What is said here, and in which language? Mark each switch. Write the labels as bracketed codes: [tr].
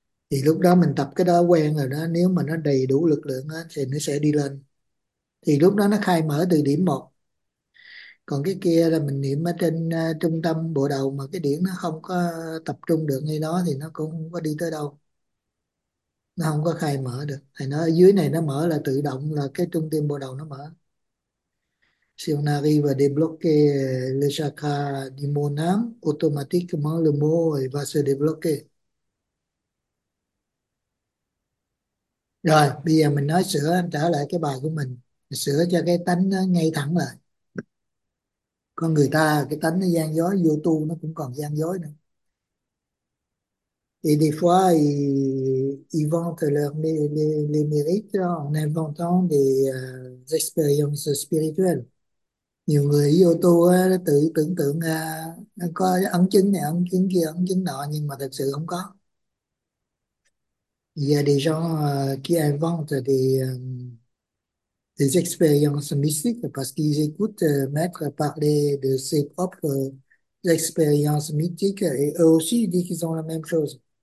[vi] Thì lúc đó mình tập cái đó quen rồi đó, nếu mà nó đầy đủ lực lượng đó, thì nó sẽ đi lên, thì lúc đó nó khai mở từ điểm một. Còn cái kia là mình niệm ở trên trung tâm bộ đầu mà cái điển nó không có tập trung được ngay đó thì nó cũng không có đi tới đâu, nó không có khai mở được. Thầy nói ở dưới này nó mở là tự động, là cái trung tâm bộ đầu nó mở. [fr] Si on arrive à débloquer le chakra du mon âme, automatiquement le mot va se débloquer. [vi] Rồi, bây giờ mình nói sửa, anh trả lại cái bài của mình. Sửa cho cái tánh nó ngay thẳng lại. Con người ta cái tánh nó gian dối, vô tu nó cũng còn gian dối nữa. [fr] Et des fois, ils vantent les mérites en inventant des expériences spirituelles. [vi] Nhiều người vô tu nó tự tưởng tượng nó có ấn chứng này, ấn chứng kia, ấn chứng nọ, nhưng mà thật sự không có. [fr] Il y a des gens qui inventent des expériences mystiques parce qu'ils écoutent maître parler de ses propres expériences mythiques et eux aussi disent qu'ils ont la même chose.